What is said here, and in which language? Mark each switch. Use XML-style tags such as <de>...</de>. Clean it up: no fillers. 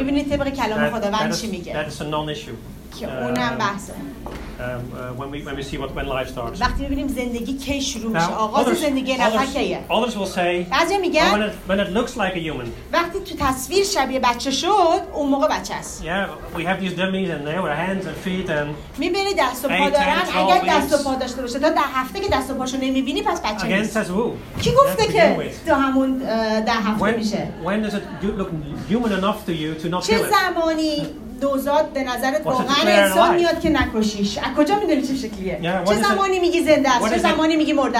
<fa>ببینید طبق کلام خداوند چی میگه.</fa> <en>That is a non-issue. When we see what when life starts.</en> <fa>وقتی ببینیم زندگی کی شروع میشه، آغاز زندگی نفکیه.</fa> <en>Others will say.</en> <fa>بعضی میگن.</fa> <en>When it looks like a human.</en> <fa>وقتی تو تصویر شبیه بچه شد، اون موقع بچه است.</fa> <en>Yeah, we have these dummies and they have hands and feet and.</en> <fa>میبینی دست و پا دارن. اگر دست و پا داشته باشه، تا ده هفته که دست و پاشو نمیبینی، پس بچه نیست.</fa> <en>Again, says who?</en> <fa>کی گفته که تو همون ده هفته میشه؟</fa> <en>When does it look human enough to you to not kill</en> <fa>چه زمانی دوزاد به نظرت واقعا انسان میاد که نکشیش؟ از کجا میدونی چه شکلیه؟ چه زمانی میگی زنده است؟ چه زمانی میگی مرده</fa>